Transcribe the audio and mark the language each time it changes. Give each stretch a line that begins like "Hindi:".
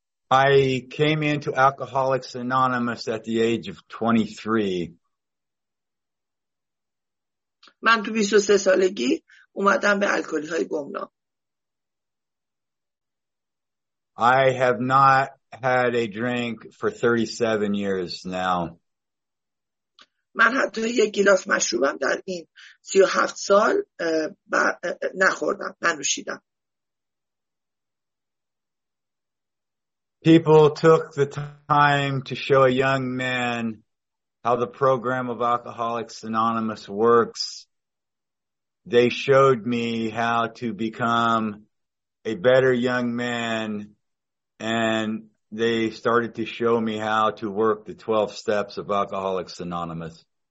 English: I came into Alcoholics Anonymous at the age of 23.
Persian: من تو 23 سالگی اومدم به الکلی‌های گمنام.
English: I have not had a drink for 37 years now.
Persian: من حتی یک گلاس مشروبم در این 37 سال نخوردم، ننوشیدم.
English: People took the time to show a young man how the program of Alcoholics Anonymous works. They showed me how to become a better young man, and they started to show me how to work the 12 steps of Alcoholics Anonymous.